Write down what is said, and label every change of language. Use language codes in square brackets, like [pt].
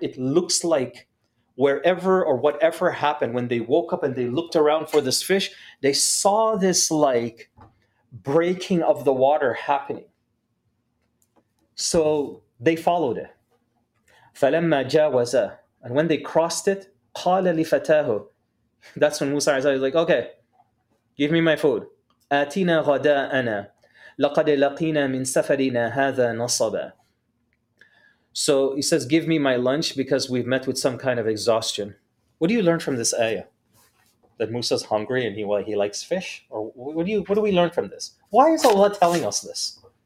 [en] It looks like wherever or whatever happened, when they woke up and they looked around for this fish, they saw this like breaking of the water happening. So they followed it. [ar] فَلَمَّا جَاوَزَ. [en] And when they crossed it, [ar] قَالَ لِفَتَاهُ. [en] That's when Musa is like, okay, Give me my food. [ar] آتينا غداءنا. لقد لقينا من سفرنا هذا نصبا. [en] So he says, give me my lunch because we've met with some kind of exhaustion. What do you learn from this ayah? That Musa's hungry and he likes fish? Or what do we learn from this? Why is Allah telling us this?